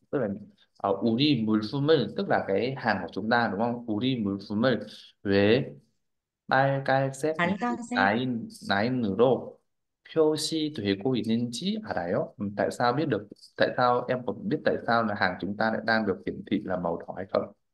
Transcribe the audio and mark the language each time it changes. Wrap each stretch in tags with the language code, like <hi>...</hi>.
<ko>그 우리 물품을</ko> <vi>tức là cái hàng của chúng ta đúng không?</vi> <ko>우리 물품을 왜 빨간색 Bánh căng xe 라인으로 표시 되고 있는지 알아요?</ko> <vi>Tại sao biết được? Tại sao em còn biết tại sao là hàng chúng ta lại đang được hiển thị là màu đỏ hay không?</vi>